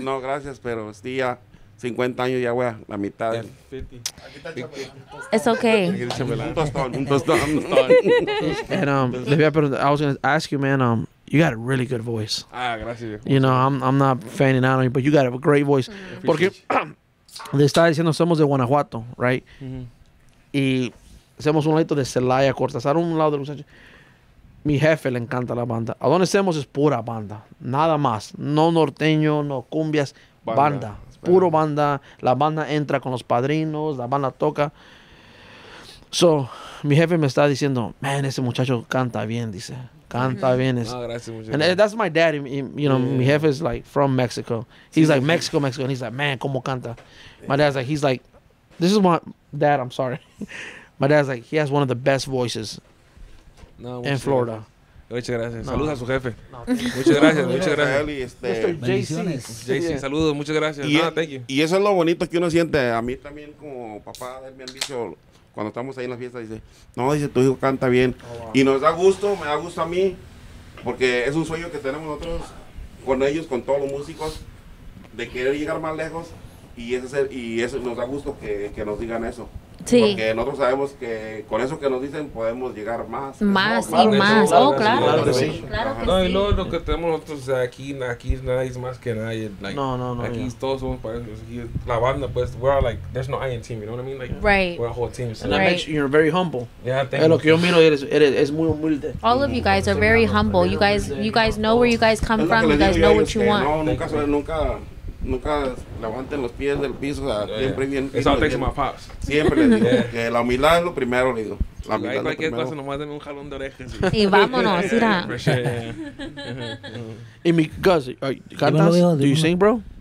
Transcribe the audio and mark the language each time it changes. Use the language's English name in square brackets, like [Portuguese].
[Spanish] No, gracias, pero sí, ya. 50 años ya, wea, la mitad. Es okay. Un tostón. [English] And, I was going to ask you, man, you got a really good voice. [Spanish] Ah, gracias. [English] You know, I'm not fanning out on you, but you got a great voice. [Spanish] Mm-hmm. Porque le estaba diciendo, somos de Guanajuato, right? Mm-hmm. Y hacemos un ladito de Celaya, Cortázar, un lado de Los Ángeles. Mi jefe le encanta la banda. A donde estemos es pura banda, nada más. No norteño, no cumbias, banda. Puro banda, la banda entra con los padrinos, la banda toca. So, mi jefe me está diciendo, man, ese muchacho canta bien, dice. Canta bien. No, gracias, muchacho. [English] And that's my dad, you know, mi jefe is like from Mexico. He's like, Mexico. And he's like, man, [Spanish] ¿cómo canta? [English] My dad's like, I'm sorry. My dad's like, he has one of the best voices in Florida. [Spanish] Muchas gracias. Saludos a su jefe. Muchas gracias. [English] Mr. [Spanish] JC. Saludos, muchas gracias. Y eso es lo bonito que uno siente. A mí también, como papá, me han dicho, cuando estamos ahí en la fiesta, dice, tu hijo canta bien. Oh, wow. Y nos da gusto, me da gusto a mí, porque es un sueño que tenemos nosotros con ellos, con todos los músicos, de querer llegar más lejos. Y eso nos da gusto que nos digan eso. Sí. Porque nosotros sabemos que con eso que nos dicen podemos llegar más. Oh, claro. Y luego lo que tenemos nosotros aquí nadie es más que nadie. [English] Like, [Spanish] no. Aquí yeah. Todos somos parejos. La banda, pues, [English] we're all like, there's no I in team, you know what I mean? Like, right. We're a whole team. So. And that makes you, you're very humble. Yeah, thank [Spanish] you. Lo que yo miro eres muy humilde. [English] All of you guys are very humble. You guys know where you guys come from. You guys know what you want. [Spanish] Nunca levanten los pies del piso, o sea, siempre bien. Eso lo tengo a mi papá. Siempre le digo que la humildad es lo primero, le digo. La humildad es lo primero. Cosa, nomás denme un jalón de orejas. Y vámonos, mira. Y mi casa, ¿cantas? Bueno, [English] ¿do you sing, bro?